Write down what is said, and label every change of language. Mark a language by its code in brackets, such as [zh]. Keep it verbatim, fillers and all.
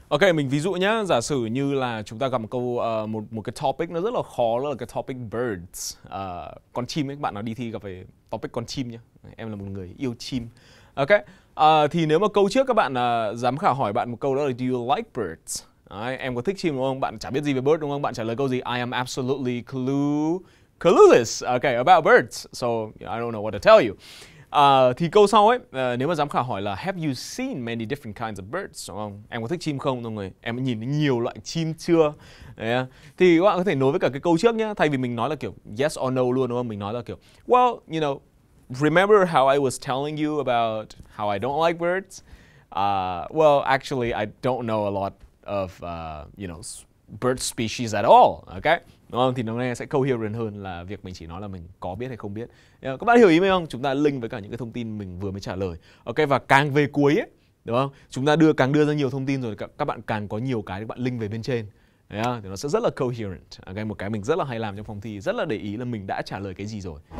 [vi] Ok, mình ví dụ nhá, giả sử như là chúng ta gặp một câu uh, một một cái topic nó rất là khó, đó là cái topic birds, uh, con chim ấy, các bạn nào đi thi gặp về topic con chim nhá. Em là một người yêu chim. Ok, uh, thì nếu mà câu trước các bạn uh, giám khảo hỏi bạn một câu đó là [en] do you like birds? [vi] Đấy, em có thích chim đúng không? Bạn chả biết gì về bird đúng không? Bạn trả lời câu gì? [en] I am absolutely clue clueless okay, about birds. So I don't know what to tell you. [vi] Uh, thì câu sau ấy, uh, nếu mà giám khảo hỏi là [en] have you seen many different kinds of birds, [vi] đúng không? Em có thích chim không? Đúng rồi, em đã nhìn thấy nhiều loại chim chưa? Yeah. Thì các bạn có thể nối với cả cái câu trước nhá. Thay vì mình nói là kiểu [en] yes or no luôn đúng không? Mình nói là kiểu well, you know, remember how I was telling you about how I don't like birds? Uh, well, actually, I don't know a lot of, uh, you know, bird species at all, okay? [vi] Đúng không? Thì nó nghe sẽ coherent hơn là việc mình chỉ nói là mình có biết hay không biết. Yeah, các bạn hiểu ý mình không? Chúng ta link với cả những cái thông tin mình vừa mới trả lời. Ok, và càng về cuối ấy, đúng không? Chúng ta đưa càng đưa ra nhiều thông tin rồi, các bạn càng có nhiều cái để bạn link về bên trên. Yeah, thì nó sẽ rất là coherent. Okay, một cái mình rất là hay làm trong phòng thi, rất là để ý là mình đã trả lời cái gì rồi.